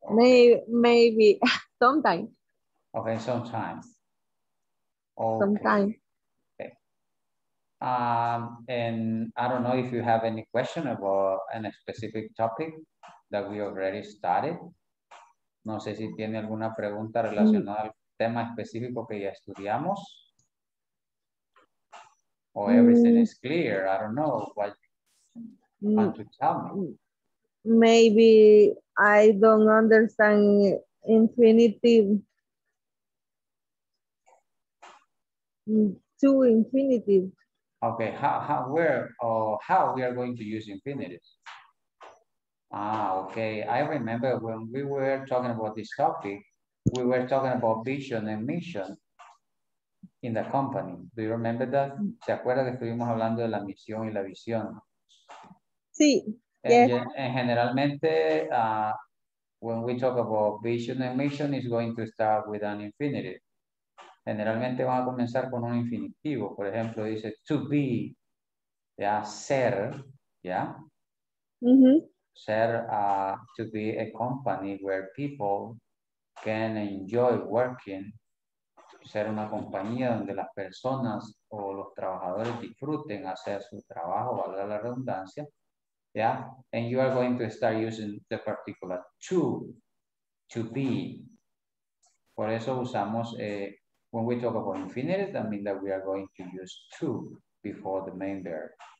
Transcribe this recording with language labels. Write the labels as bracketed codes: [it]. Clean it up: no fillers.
[en] Maybe sometimes. Okay, sometimes. Okay. Sometimes. Okay. And I don't know if you have any question about any specific topic that we already started. [es] No sé si tiene alguna pregunta relacionada al tema específico que ya estudiamos. [en] Or everything is clear. I don't know what you want to tell me. Maybe I don't understand infinitive. Two infinitives. Okay, how we are going to use infinitives? Ah, okay. I remember when we were talking about this topic, we were talking about vision and mission in the company. Do you remember that? [es] ¿Se acuerda que estuvimos hablando de la misión y la visión? Sí. [en] And generalmente, when we talk about vision and mission, it's going to start with an infinitive. [es] Generalmente van a comenzar con un infinitivo. Por ejemplo, dice to be, ya, ser, ya. Mm-hmm. [en] Ser, to be a company where people can enjoy working. [es] Ser una compañía donde las personas o los trabajadores disfruten hacer su trabajo, valga la redundancia. [en] Yeah, and you are going to start using the particular to be. [es] Por eso usamos, [en] when we talk about infinitive, that means that we are going to use to before the main verb.